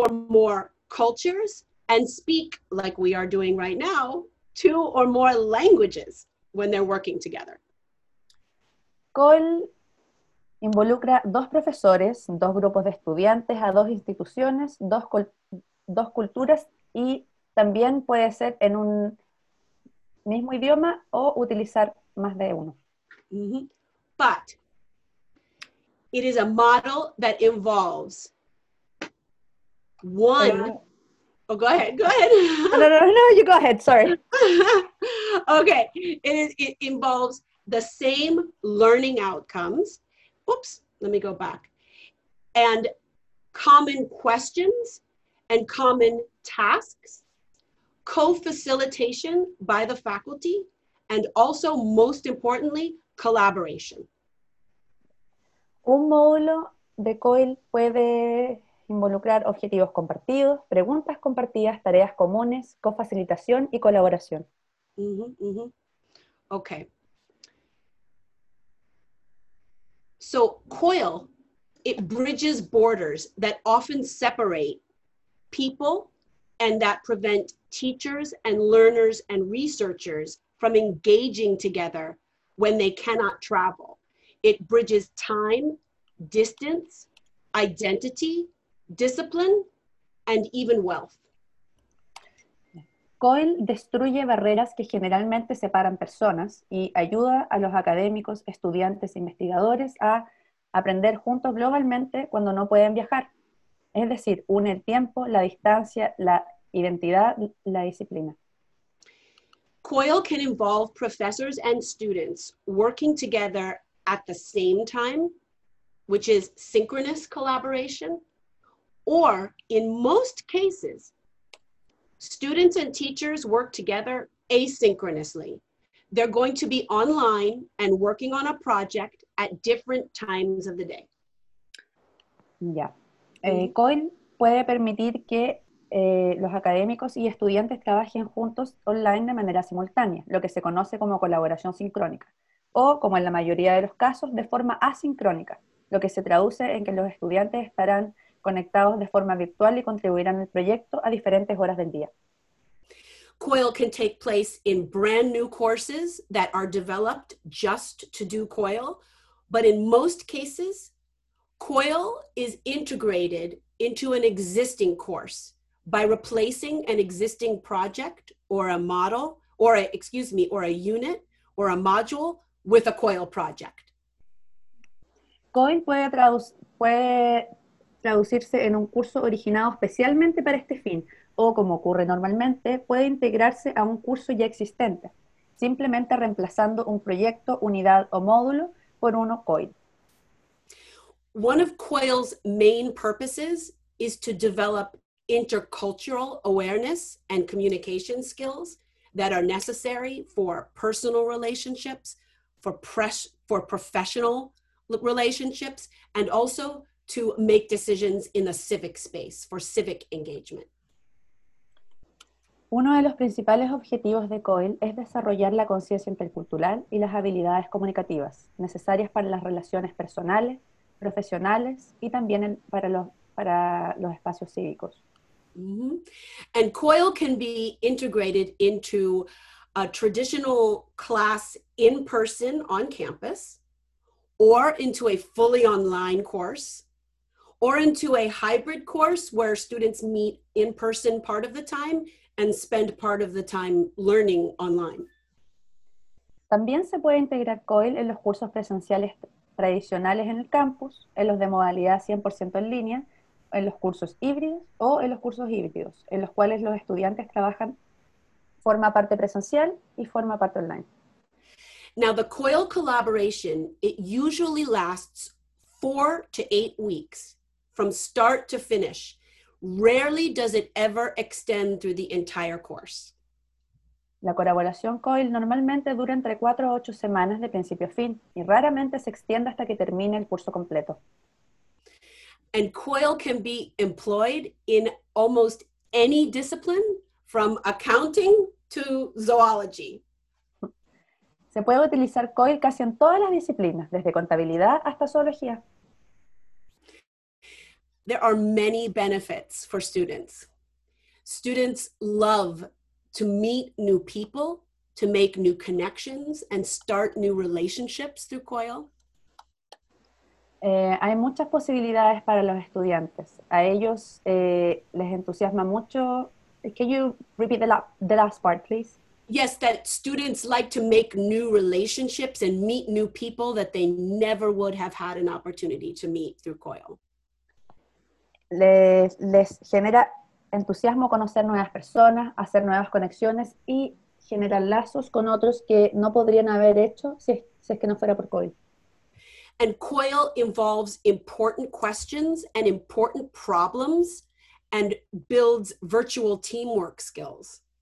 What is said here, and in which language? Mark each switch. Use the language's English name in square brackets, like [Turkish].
[English] or more cultures and speak, like we are doing right now, two or more languages when they're working together. [Spanish] COL involucra dos profesores, dos grupos de estudiantes, a dos instituciones, dos culturas, y también puede ser en un mismo idioma o utilizar más de uno. Mm-hmm. [English] But it is a model that involves one. [Spanish] Pero, [English] oh, go ahead. No, you go ahead, sorry. Okay, it involves the same learning outcomes. Oops, let me go back. And common questions and common tasks, co-facilitation by the faculty, and also, most importantly, collaboration. [Spanish] Un módulo de COIL puede involucrar objetivos compartidos, preguntas compartidas, tareas comunes, co-facilitación y colaboración. Mm-hmm, mm-hmm. Okay. [English] So COIL, it bridges borders that often separate people and that prevent teachers and learners and researchers from engaging together when they cannot travel. It bridges time, distance, identity, discipline, and even wealth. [Spanish] COIL destruye barreras que generalmente separan personas y ayuda a los académicos, estudiantes, investigadores a aprender juntos globalmente cuando no pueden viajar. Es decir, une el tiempo, la distancia, la identidad, la disciplina. [English] COIL can involve professors and students working together at the same time, which is synchronous collaboration, or in most cases, students and teachers work together asynchronously. They're going to be online and working on a project at different times of the day. Yeah. [Spanish] COIL puede permitir que los académicos y estudiantes trabajen juntos online de manera simultánea, lo que se conoce como colaboración sincrónica, o como en la mayoría de los casos, de forma asincrónica, lo que se traduce en que los estudiantes estarán conectados de forma virtual y contribuirán al proyecto a diferentes horas del día. [English] COIL can take place in brand new courses that are developed just to do COIL, but in most cases, COIL is integrated into an existing course by replacing an existing project or a model, or a unit or a module with a COIL project. [Spanish] COIL puede traducirse en un curso originado especialmente para este fin, o como ocurre normalmente, puede integrarse a un curso ya existente, simplemente reemplazando un proyecto, unidad o módulo por uno COIL. [English] One of COIL's main purposes is to develop intercultural awareness and communication skills that are necessary for personal relationships, for professional relationships, and also to make decisions in the civic space, for civic engagement. [Spanish] Uno de los principales objetivos de COIL es desarrollar la conciencia intercultural y las habilidades comunicativas necesarias para las relaciones personales, profesionales y también para los espacios cívicos. Mm-hmm. [English] And COIL can be integrated into a traditional class in person on campus, or into a fully online course, or into a hybrid course where students meet in person part of the time and spend part of the time learning online. [Spanish] También se puede integrar COIL en los cursos presenciales tradicionales en el campus, en los de modalidad 100% en línea, en los cursos híbridos o en los cursos híbridos, en los cuales los estudiantes trabajan forma parte presencial y forma parte online. [English] Now the COIL collaboration, it usually lasts 4 to 8 weeks from start to finish. Rarely does it ever extend through the entire course. [Spanish] La colaboración COIL normalmente dura entre 4 a 8 semanas de principio a fin y raramente se extiende hasta que termine el curso completo. [English] And COIL can be employed in almost any discipline, from accounting to zoology. [Spanish] Se puede utilizar COIL casi en todas las disciplinas, desde contabilidad hasta zoología. [English] There are many benefits for students. Students love to meet new people, to make new connections, and start new relationships through COIL. [Spanish] Hay muchas posibilidades para los estudiantes. A ellos les entusiasma mucho. [English] Can you repeat the last part, please? Yes, that students like to make new relationships and meet new people that they never would have had an opportunity to meet through COIL. [Spanish] Les genera entusiasmo conocer nuevas personas, hacer nuevas conexiones y generar lazos con otros que no podrían haber hecho si es que no fuera por COIL. [English] And COIL involves important questions and important problems and builds virtual teamwork skills.